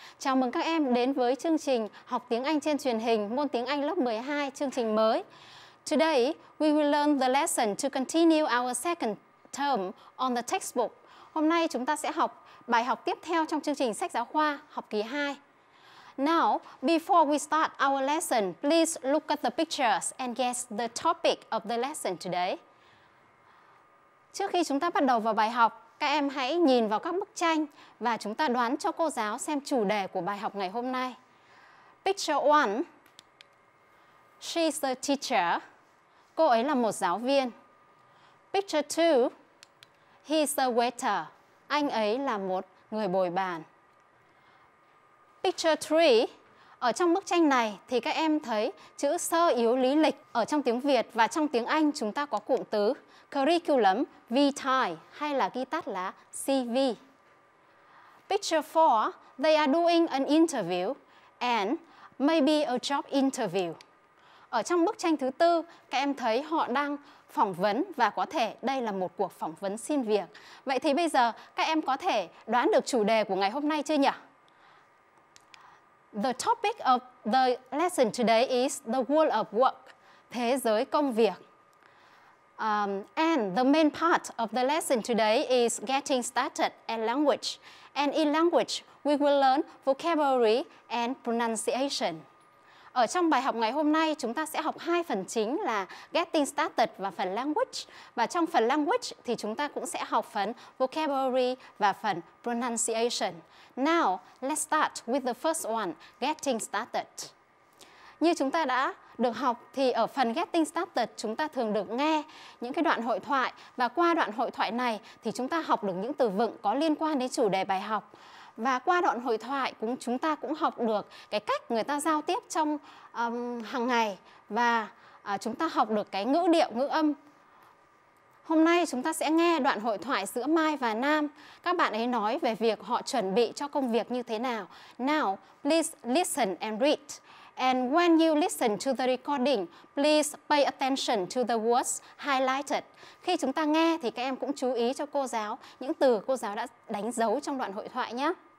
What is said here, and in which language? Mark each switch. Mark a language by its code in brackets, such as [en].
[vi] Chào mừng các em đến với chương trình học tiếng Anh trên truyền hình môn tiếng Anh lớp 12 chương trình mới. [en] Today, we will learn the lesson to continue our second term on the textbook. [vi] Hôm nay chúng ta sẽ học bài học tiếp theo trong chương trình sách giáo khoa học kỳ 2. [en] Now, before we start our lesson, please look at the pictures and guess the topic of the lesson today. [vi] Trước khi chúng ta bắt đầu vào bài học, các em hãy nhìn vào các bức tranh và chúng ta đoán cho cô giáo xem chủ đề của bài học ngày hôm nay. [en] Picture 1. She's a teacher. [vi] Cô ấy là một giáo viên. [en] Picture 2. He's a waiter. [vi] Anh ấy là một người bồi bàn. [en] Picture 3. [vi] Ở trong bức tranh này thì các em thấy chữ sơ yếu lý lịch ở trong tiếng Việt và trong tiếng Anh chúng ta có cụm từ curriculum vitae hay là ghi tắt là CV. [en] Picture 4. They are doing an interview and maybe a job interview. [vi] Ở trong bức tranh thứ tư, các em thấy họ đang phỏng vấn và có thể đây là một cuộc phỏng vấn xin việc. Vậy thì bây giờ các em có thể đoán được chủ đề của ngày hôm nay chưa nhỉ? [en] The topic of the lesson today is the world of work, [vi] thế giới công việc. [en] And the main part of the lesson today is getting started in language. And in language, we will learn vocabulary and pronunciation. [vi] Ở trong bài học ngày hôm nay, chúng ta sẽ học hai phần chính là getting started và phần language. Và trong phần language thì chúng ta cũng sẽ học phần vocabulary và phần pronunciation. [en] Now, let's start with the first one, getting started. [vi] Như chúng ta đã được học thì ở phần getting started chúng ta thường được nghe những cái đoạn hội thoại và qua đoạn hội thoại này thì chúng ta học được những từ vựng có liên quan đến chủ đề bài học. Và qua đoạn hội thoại cũng chúng ta cũng học được cái cách người ta giao tiếp trong hàng ngày và chúng ta học được cái ngữ điệu, ngữ âm. Hôm nay chúng ta sẽ nghe đoạn hội thoại giữa Mai và Nam. Các bạn ấy nói về việc họ chuẩn bị cho công việc như thế nào. [en] Now, please listen and read. And when you listen to the recording, please pay attention to the words highlighted. [vi] Khi chúng ta nghe thì các em cũng chú ý cho cô giáo những từ cô giáo đã đánh dấu trong đoạn hội thoại nhé.